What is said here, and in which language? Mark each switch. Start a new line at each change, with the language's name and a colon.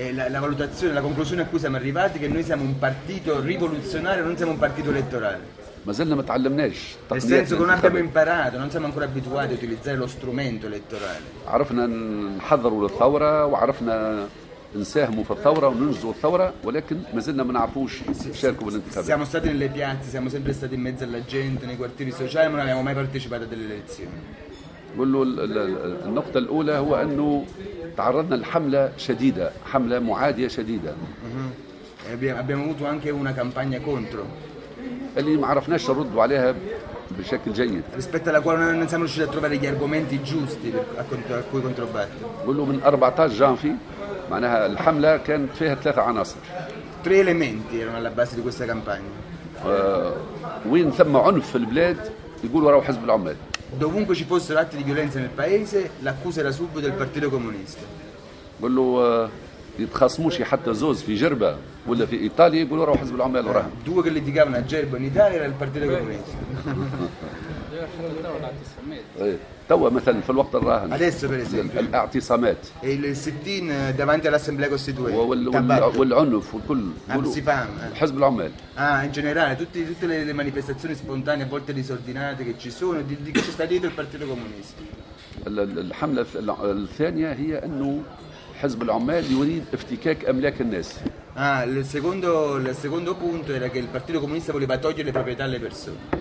Italian: La valutazione, la conclusione a cui siamo arrivati è che noi siamo un partito rivoluzionario, non siamo un partito elettorale.
Arabic: ما زلنا ما تعلمناش.
Italian: Nel senso che non abbiamo imparato, non siamo ancora abituati a utilizzare lo strumento elettorale.
Arabic: عرفنا نحضروا للثورة وعرفنا نساهموا في الثورة وننجزوا الثورة ولكن ما زلنا ما نعرفوش نشاركوا بالانتخابات.
Italian: Siamo stati nelle piazze, siamo sempre stati in mezzo alla gente, nei quartieri sociali, ma non abbiamo mai partecipato a delle elezioni.
Arabic: قولوا النقطة الأولى هو أنه تعرضنا لحملة شديدة, حملة معادية شديدة.
Italian: Abbiamo avuto anche una campagna contro.
Arabic: اللي ما عرفناش نردوا عليها بشكل جيد.
Italian: Rispetto alla quale non siamo riusciti a trovare gli argomenti giusti a cui controbattere.
Arabic: قولوا من 14 جانفي معناها الحملة كانت فيها ثلاثة عناصر.
Italian: Tre elementi erano alla base di questa campagna.
Arabic: وين ثم عنف في البلاد يقولوا راهو حزب العمال.
Italian: Dovunque ci fossero atti di violenza nel paese, l'accusa era subito del Partito Comunista.
Arabic: قولوا يتخاصموش حتى زوز في جربة ولا في إيطاليا يقولوا راهو حزب العمال وراهم.
Italian: Due che litigavano a Gerba in Italia era il Partito Comunista.
Arabic: توا مثلا في الوقت الراهن.
Italian: Adesso per esempio.
Arabic: الاعتصامات.
Italian: E il sit-in davanti all'Assemblea Costituente.
Arabic: والعنف والكل. Amsifam. حزب العمال.
Italian: In generale tutte le manifestazioni spontanee a volte disordinate che ci sono di che c'è stato dietro il Partito Comunista.
Arabic: الحملة الثانية هي أنه حزب العمال يريد افتكاك أملاك الناس.
Italian: Il secondo punto era che il Partito Comunista voleva togliere le proprietà alle persone.